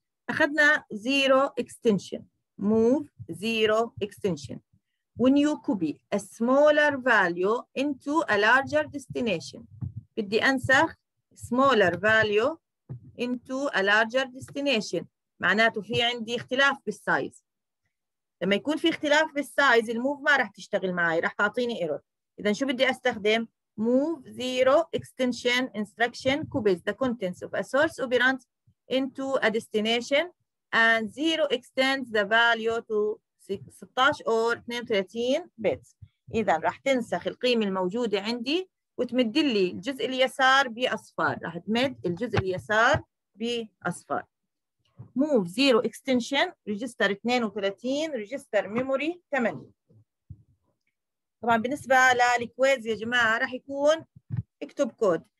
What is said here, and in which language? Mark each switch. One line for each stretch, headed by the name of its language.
Arabic: أخذنا
English: zero extension، move zero extension. When you copy a smaller value into a larger destination،
Arabic: بدي أنسخ
English: smaller value into a larger destination،
Arabic: معناته في عندي اختلاف بالسايز. لما يكون في اختلاف بالسايز الموف ما راح تشتغل معي، راح تعطيني ايرور. إذا شو بدي أستخدم؟
English: move zero extension instruction copies the contents of a source operand into a destination and zero extends the value to 16 or 32 bits.
Arabic: إذا راح تنسخ القيمة الموجودة عندي وتمد لي الجزء اليسار بأصفار، راح تمد الجزء اليسار بأصفار.
English: Move zero extension register 32 register memory 8.
Arabic: طبعا بالنسبة للكويز يا جماعة راح يكون اكتب كود.